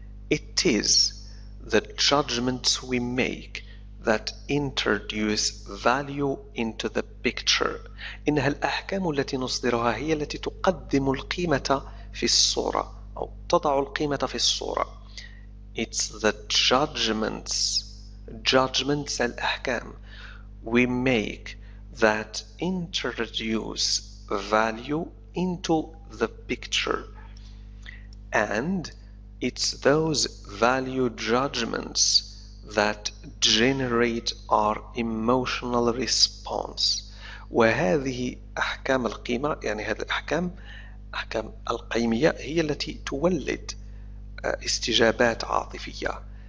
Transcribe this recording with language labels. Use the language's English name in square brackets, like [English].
[English] It is the judgments we make that introduce value into the picture. [Arabic] إنها الأحكام التي نصدرها هي التي تقدم القيمة في الصورة أو تضع القيمة في الصورة. [English] It's the judgments الأحكام we make that introduce value into the picture. And it's those value judgments that generate our emotional response. [Arabic] وهذه أحكام القيمة، يعني هذه الأحكام أحكام القيمية هي التي تولد استجابات عاطفية.